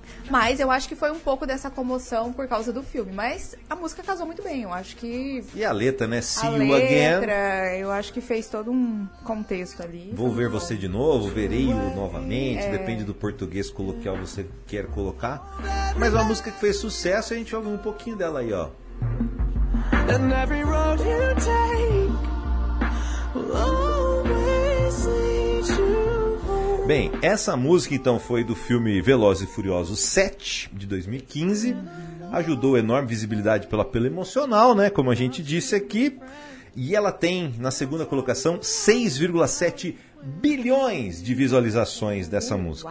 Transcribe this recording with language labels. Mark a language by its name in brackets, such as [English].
[Portuguese] Mas eu acho que foi um pouco dessa comoção por causa do filme. Mas a música casou muito bem, eu acho que... E a letra, né? See you again. A letra, eu acho que fez todo um contexto ali. Vou ver você de novo, verei-o novamente, depende do português coloquial você quer colocar. Mas uma música que fez sucesso, a gente ouve um pouquinho dela aí, ó. [English] And every road you take will always lead you home. [Portuguese] Bem, essa música então foi do filme Velozes e Furiosos 7 de 2015. Ajudou enorme visibilidade pelo apelo emocional, né? Como a gente disse aqui. E ela tem na segunda colocação 6,7 bilhões de visualizações dessa música.